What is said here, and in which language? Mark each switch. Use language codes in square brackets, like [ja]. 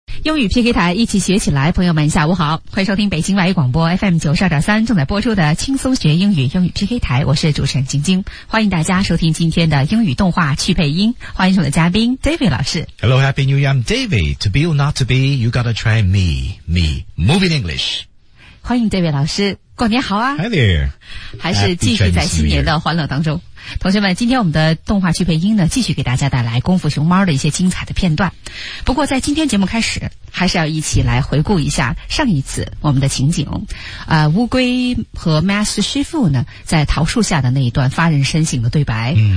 [zh] 英语 PK 台一起学起来，朋友们下午好，欢迎收听北京外语广播 FM92.3 正在播出的轻松学英语英语 PK 台，我是主持人晶晶，欢迎大家收听今天的英语动画去配音，欢迎我们的嘉宾 David 老师。 [en] Hello, Happy New Year, I'm David. To be or not to be, you gotta try me, me, moving English. [zh] 欢迎 David 老师，过年好啊。 [en] Hi there. [zh] 还是继续在新年的欢乐当中。同学们，今天我们的动画去配音呢，继续给大家带来功夫熊猫的一些精彩的片段。不过在今天节目开始，还是要一起来回顾一下上一次我们的情景。乌龟和 Master Shifu 呢，在桃树下的那一段发人深省的对白。